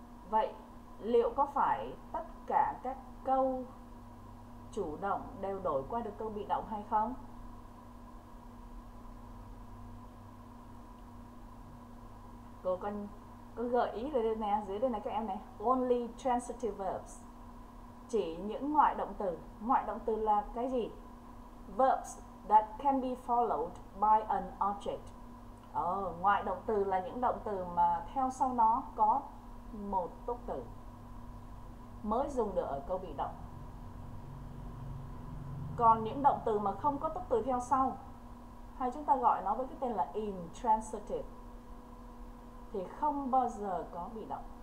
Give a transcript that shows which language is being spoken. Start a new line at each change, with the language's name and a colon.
Vietnamese: Vậy liệu có phải tất cả các câu chủ động đều đổi qua được câu bị động hay không? Cô có gợi ý rồi đây nè, dưới đây này các em này.
English: Only transitive verbs,
Vietnamese: chỉ những ngoại động từ. Ngoại động từ là cái gì?
English: Verbs that can be followed by an object.
Vietnamese: Ngoại động từ là những động từ mà theo sau nó có một túc từ mới dùng được ở câu bị động. Còn những động từ mà không có túc từ theo sau, hay chúng ta gọi nó với cái tên là intransitive, thì không bao giờ có bị động.